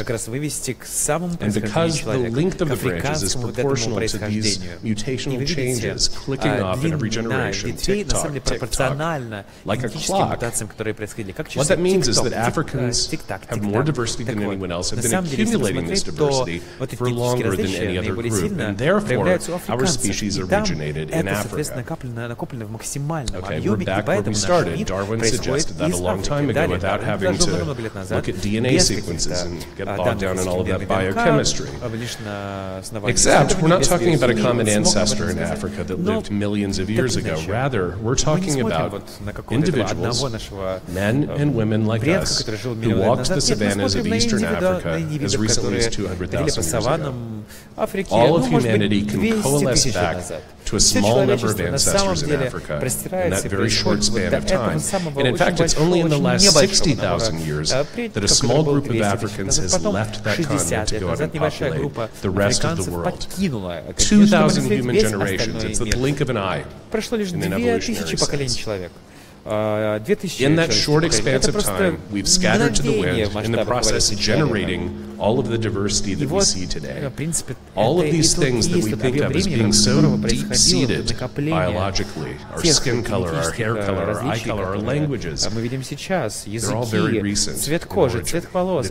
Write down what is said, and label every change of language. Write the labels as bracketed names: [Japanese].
[English] And because the length of the branches is proportional to these mutational changes clicking off in every generation, tick-tock, like a clock, what that means is that Africans have more diversity than anyone else, have been accumulating this diversity for longer than any other group, and therefore our species originated in Africa. [Russian] Соответственно, накоплено в максимальном [English] okay, [Russian] объеме, [English] back, [Russian] и поэтому наш вид происходит из Африки. Далее, даже много лет назад, без каких-то данных исследований ДНК, лишь на основании... [English] Except, we're not talking about a common ancestor in Africa that lived millions of years ago. Rather, we're talking about individuals, men and women like us, who walked the savannas of eastern Africa as recently as 200,000 years ago. All of humanity can coalesce back to a small number of ancestors in Africa in that very short span of time. And in fact, it's only in the last 60,000 years that a small group of Africans has left that continent to go out and populate the rest of the world. 2,000 human generations, it's the blink of an eye in an evolutionary sense. [Russian] 2000 человек. Это просто мгновение в масштабах галактического мира. И вот, в принципе, это и тот кейс, тот объем времени, в котором происходило накопление тех генетических различий, которые мы видим сейчас, языки, цвет кожи, цвет волос.